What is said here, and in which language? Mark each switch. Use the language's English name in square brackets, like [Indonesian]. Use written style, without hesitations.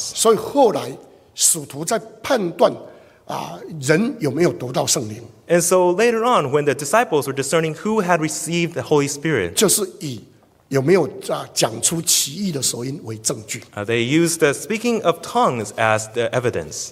[Chinese] 所以后来使徒在判断人有没有得到圣灵。 [English] And so later on, when the disciples were discerning who had received the Holy Spirit, [Chinese] 就是以有没有讲出奇异的舌音为证据。 [English] They used the speaking of tongues as the evidence.